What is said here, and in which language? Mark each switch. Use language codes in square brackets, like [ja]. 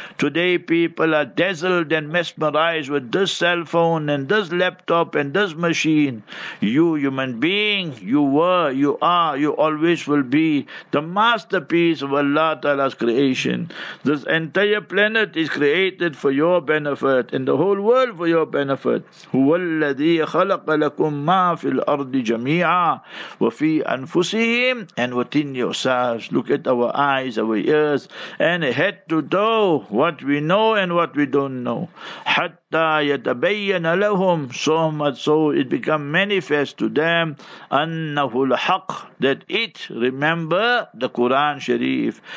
[en] Today people are dazzled and mesmerized with this cell phone and this laptop and this machine. You human being, you were, you are, you always will be the masterpiece of Allah Ta'ala's creation. This entire planet is created for your benefit, and the whole world for your benefit. [ar] هو الذي خلق لكم ما في الأرض جميعا وفي أنفسهم, [en] and within yourselves. Look at our eyes, our ears, and head to toe, what we know and what we don't know. [ar] حتى يتبين له, [en] so much so it become manifest to them, [ar] أَنَّهُ الْحَقِّ, [en] that it, remember the Quran Sharif.